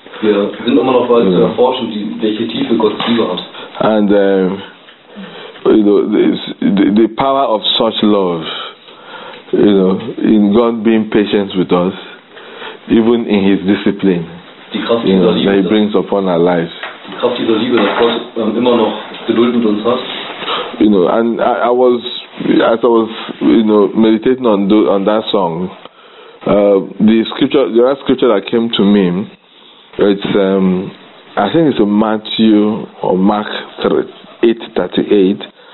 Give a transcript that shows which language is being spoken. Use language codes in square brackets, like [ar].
[de] Wir sind immer noch weiter zu erforschen, welche Tiefe Gottes Liebe hat. [en] And you know, the power of such love, you know, in God being patient with us, even in his discipline, [de] die Kraft, [en] you know, [de] dieser Liebe, [en] that he brings upon our lives. [de] Die Kraft dieser Liebe, dass Gott immer noch Geduld mit uns hat. [en] You know, and I was, you know, meditating on that song, the last scripture that came to me, it's, I think it's a Matthew or Mark 8:38.